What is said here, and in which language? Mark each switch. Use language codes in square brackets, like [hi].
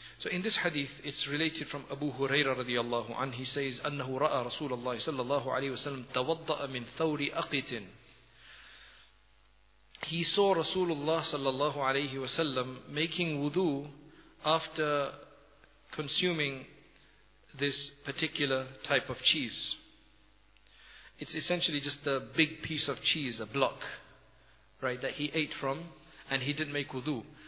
[en] So in this hadith, it's related from Abu Huraira radiallahu anh. He says, [ar] أنه رأى رسول الله صلى الله عليه وسلم توضأ من ثور أقيت. [en] He saw Rasulullah sallallahu alayhi wasallam making wudu after consuming this particular type of cheese. It's essentially just a big piece of cheese, a block, right, that he ate from, and he didn't make wudu.